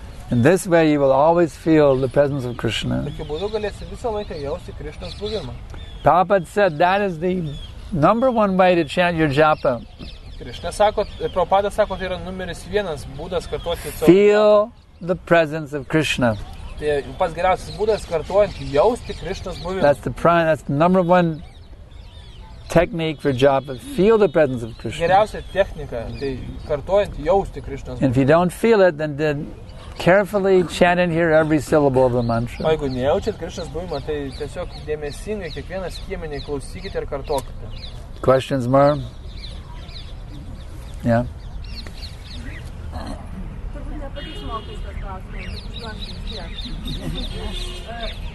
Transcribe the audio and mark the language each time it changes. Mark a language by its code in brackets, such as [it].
[en] In this way you will always feel the presence of Krishna. Prabhupada said that is the number one way to chant your japa. [lt] Prabhupada sako, tai yra numeris vienas būdas kartuoti savo. [en] Feel the presence of Krishna. [lt] Tai pats geriausias būdas kartuojant jausti Krishnas buvimą. [en] That's the number one technique for japa. Feel the presence of Krishna. [lt] Geriausia technika, tai kartuojant jausti Krishnas buvimą. [en] If you don't feel it, then carefully chant and hear every syllable of the mantra. [lt] O jeigu nejaučiat Krishnas buvimą, tai tiesiog dėmesingai kiekvieną skiemenį klausykite ir kartokite. [en] Questions more? Yeah. [lt] Turbūt nepatiks mokės tas klausimas.